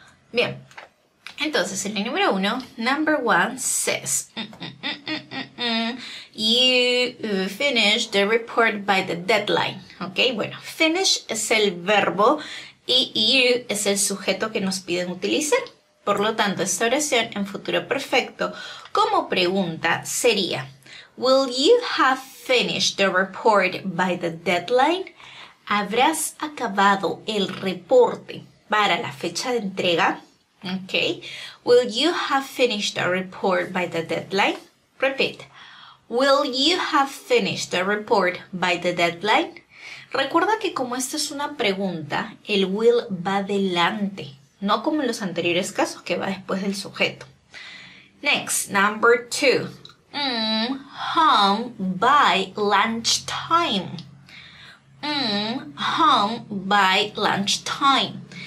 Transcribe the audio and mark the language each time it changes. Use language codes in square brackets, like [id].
[es] Bien, entonces en el número uno, [en] number one says, you finish the report by the deadline. [es] Ok, bueno, finish es el verbo y you es el sujeto que nos piden utilizar. Por lo tanto, esta oración en futuro perfecto como pregunta sería [en] Will you have finished the report by the deadline? [es] ¿Habrás acabado el reporte para la fecha de entrega? Okay. [en] Will you have finished the report by the deadline? Repeat. Will you have finished the report by the deadline? [es] Recuerda que como esta es una pregunta, el will va delante, no como en los anteriores casos, que va después del sujeto. [en] Next, number two. Home by lunchtime. Home by lunchtime.